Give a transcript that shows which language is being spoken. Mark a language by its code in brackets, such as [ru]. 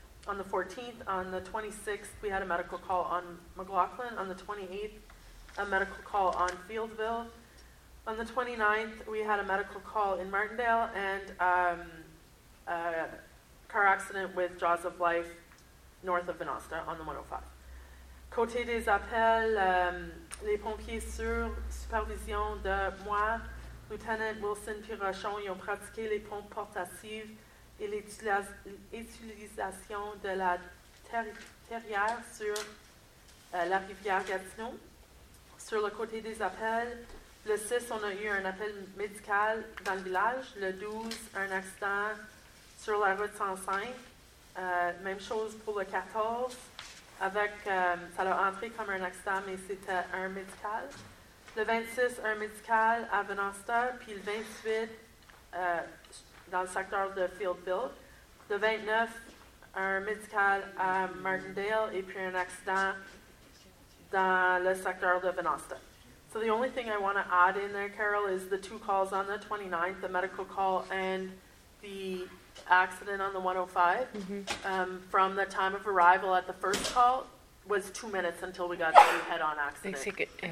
[en] On the 14th, on the 26th, we had a medical call on McLaughlin. On the 28th, a medical call on Fieldville. On the 29th, we had a medical call in Martindale and a car accident with Jaws of Life north of Venosta on the 105. [fr] Côté des appels, les pompiers sur supervision de moi, Lieutenant Wilson Pirachon, ils ont pratiqué les pompes portatives et l'utilisation de la terrière sur la rivière Gatineau. Sur le côté des appels, le 6, on a eu un appel médical dans le village. Le 12, un accident sur la route 105. Même chose pour le 14, avec ça l'a entré comme un accident, mais c'était un médical. Le 26, un médical à Venosta, puis le 28, dans le secteur de Fieldville. Le 29, un médical à Martindale et puis un accident dans le secteur de Venosta. [en] So the only thing I want to add in there, Carol, is the two calls on the 29th, the medical call and the accident on the 105. Mm-hmm. From the time of arrival at the first call was 2 minutes until we got the head-on accident.